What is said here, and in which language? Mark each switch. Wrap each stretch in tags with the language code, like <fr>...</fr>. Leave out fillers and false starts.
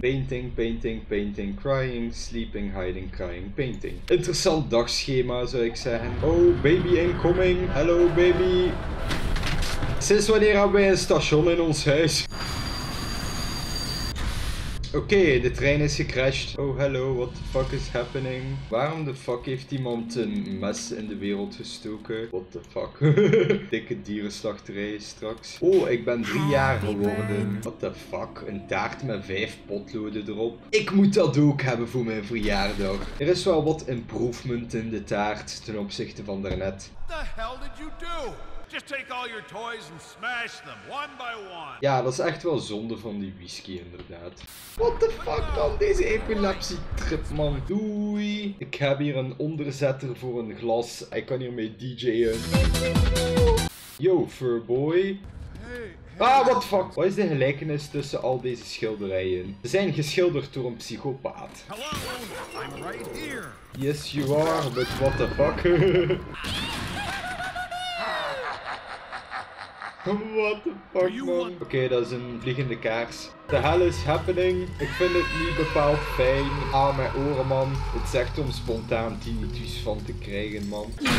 <en>Painting, painting, painting. Crying, sleeping, hiding, crying, painting.</en> <nl>Interessant dagschema, zou ik zeggen.</nl> <en>Oh, baby incoming. Hello, baby.</en> <nl>Sinds wanneer hebben wij een station in ons huis? Oké, de trein is gecrashed.</nl> <en>Oh, hello, what the fuck is happening?</en> <nl>Waarom de fuck heeft iemand een mes in de wereld gestoken?</nl> <en>What the fuck?</en> <nl>Dikke dierenslachterij straks. Oh, ik ben 3 jaar geworden.</nl> <en>What the fuck?</en> <nl>Een taart met 5 potloden erop. Ik moet dat ook hebben voor mijn verjaardag. Er is wel wat improvement in de taart ten opzichte van daarnet.</nl> <en>What the hell did you do? Just take all your toys and smash them, one by one.</en> <nl>Ja, dat is echt wel zonde van die whisky, inderdaad.</nl> <en>What the fuck, man?</en> <nl>Deze epilepsietrip, man. Doei. Ik heb hier een onderzetter voor een glas. Ik kan hiermee DJ'en. Yo, furboy.</nl> <en>Ah, what the fuck?</en> <nl>Wat is de gelijkenis tussen al deze schilderijen? Ze zijn geschilderd door een psychopaat.</nl> <en>Hello, I'm right here. Yes, you are, but what the fuck? What the fuck, man?</en> <nl>Oké, dat is een vliegende kaars.</nl> <en>The hell is happening.</en> <nl>Ik vind het niet bepaald fijn. Ah, mijn oren, man. Het zegt om spontaan tinnitus van te krijgen, man.</nl>